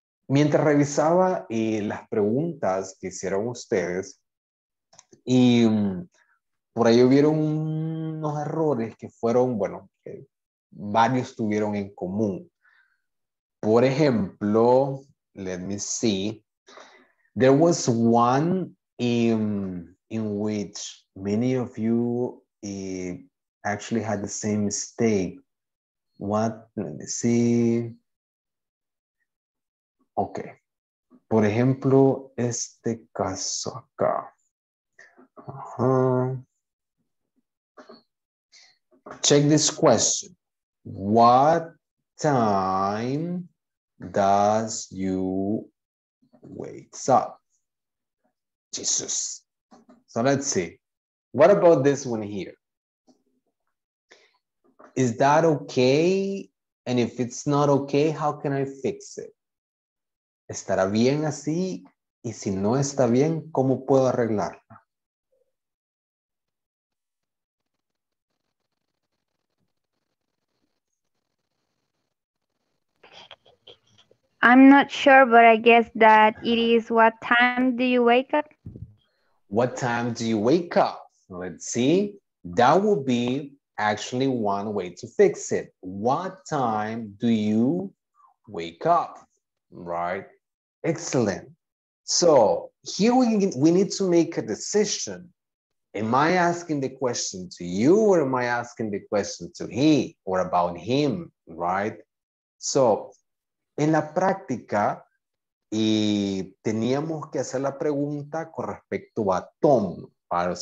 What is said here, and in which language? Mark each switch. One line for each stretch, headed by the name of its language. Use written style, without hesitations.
Spanish: Mientras revisaba las preguntas que hicieron ustedes y por ahí hubieron unos errores que fueron, bueno, que varios tuvieron en común. Por ejemplo,
English: let me see, there was one in which many of you actually had the same mistake. What, let me see.
Spanish: Okay, por ejemplo, este caso acá.
English: Check this question. What time does you wake up? Jesus. So let's see. What about this one here? Is that okay? And if it's not okay, how can I fix it?
Spanish: ¿Estará bien así? Y si no está bien, ¿cómo puedo arreglarla?
English: I'm not sure, but I guess that it is what time do you wake up? What time do you wake up? Let's see. That would be actually one way to fix it. What time do you wake up? Right? Excellent. So here we need to make a decision. Am I asking the question to you or am I asking the question to he or about him, right?
Spanish: So en la práctica y teníamos que hacer la pregunta con respecto a Tom, ¿vale?